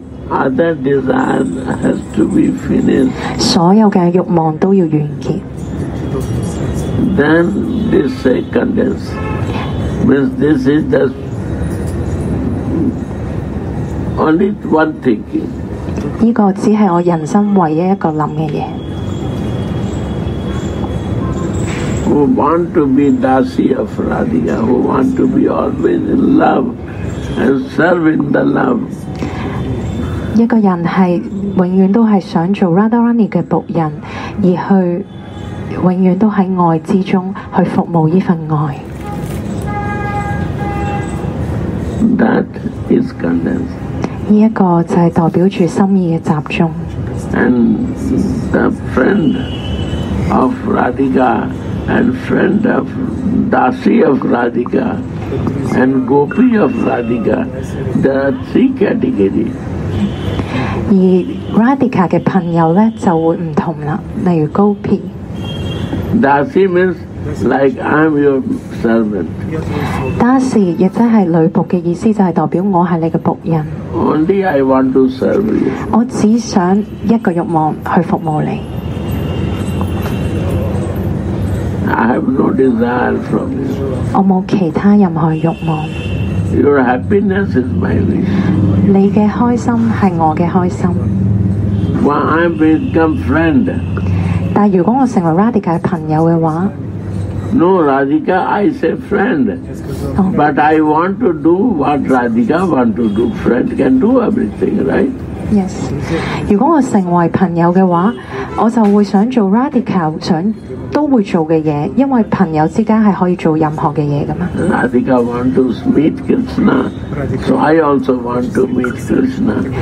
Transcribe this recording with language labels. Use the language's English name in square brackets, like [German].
[English] Other desire has to be finished. [Chinese] 所有的欲望都要完结. [English] Then this second is, means this is the only one thinking. [Chinese] 这个只是我人生唯一一个想的东西. [English] Who want to be Dasi of Radha, who want to be always in love and serve in the love. [Chinese] 一個人是永遠都是想做 Radha Rani的仆人, 而去永遠都在愛之中去服務這份愛. [English] That is condense. [Chinese] 這個就是代表著心意的集中. [English] And the friend of Radhika and friend of Dasi of Radhika and Gopi of Radhika, there are three categories. [Chinese] 而 Radhika 的朋友就會不同了, 例如 Gopi. [English] Dasi means like I'm your servant. [Chinese] Dasi 也就是女仆的意思,就是代表我是你的仆人. [English] Only I want to serve you. [Chinese] 我只想一個慾望去服務你. [English] I have no desire from you. [Chinese] 我沒有其他任何慾望. [English] Your happiness is my wish. [Chinese] 你的開心是我的開心. [English] Well, I become friend. [Chinese] 但如果我成為 Radhika 的朋友的話 [English] No, Radhika, I say friend.、 Oh. But I want to do what Radhika want to do. Friend can do everything, right? Yes. [Chinese] 如果我成為朋友的話，我就會想做 Radhika 想都會做的事，因為朋友之間是可以做任何的事的嘛。 [English] Radhika want to meet Krishna, so I also want to meet Krishna.